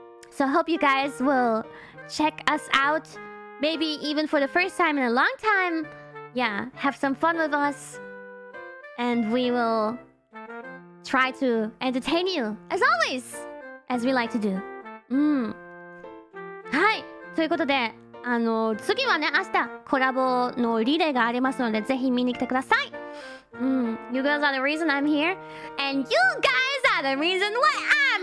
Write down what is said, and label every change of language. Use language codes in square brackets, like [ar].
[en] So I hope you guys will check us out. Maybe even for the first time in a long time. Yeah, have some fun with us. And we will try to entertain you, as always, as we like to do. [ja] はい、ということで、あの、次はね、明日コラボのリレーがありますので、ぜひ見に来てください. [en] You guys are the reason I'm here. And you guys are the reason why I'm